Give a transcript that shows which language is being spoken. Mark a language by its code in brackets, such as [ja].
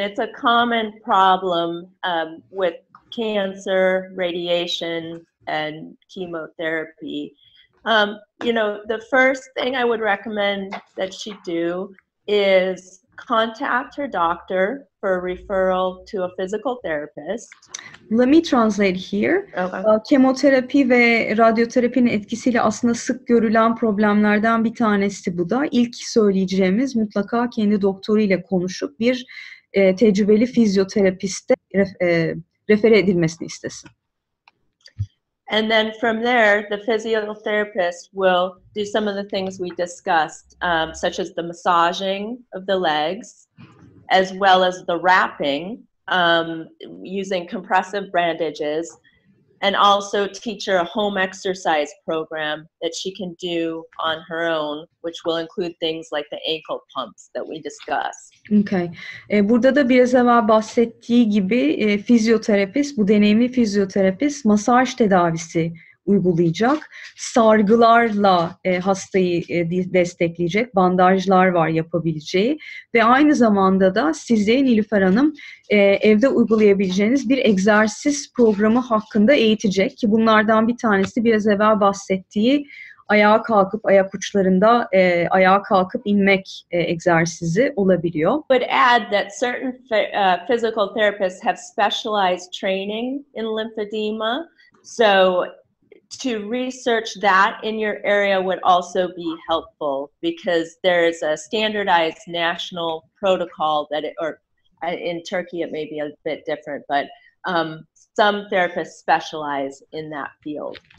[en] It's a common problem with cancer, radiation, and chemotherapy. You know, the first thing I would recommend that she do is contact her doctor for a referral to a physical therapist. Let me translate here. Okay. [tr] Kemoterapi ve radyoterapinin etkisiyle aslında sık görülen problemlerden bir tanesi bu da. İlk söyleyeceğimiz mutlaka kendi doktoruyla konuşup bir tecrübeli fizyoterapiste refer edilmesini istesin. [en] And then from there, the physiotherapist will do some of the things we discussed, such as the massaging of the legs, as well as the wrapping, using compressive bandages, and also teach her a home exercise program that she can do on her own, which will include things like the ankle pumps that we discussed. Okay. [tr] Burada da biraz evvel bahsettiği gibi fizyoterapist, bu deneyimli fizyoterapist masaj tedavisi uygulayacak. Sargılarla hastayı destekleyecek. Bandajlar var yapabileceği. Ve aynı zamanda da size Nilüfer Hanım evde uygulayabileceğiniz bir egzersiz programı hakkında eğitecek. Ki bunlardan bir tanesi biraz evvel bahsettiği ayağa kalkıp ayak uçlarında ayağa kalkıp inmek egzersizi olabiliyor. [en] But add that certain physical therapists have specialized training in lymphedema. So to research that in your area would also be helpful because there is a standardized national protocol that it, or in Turkey it may be a bit different, but some therapists specialize in that field.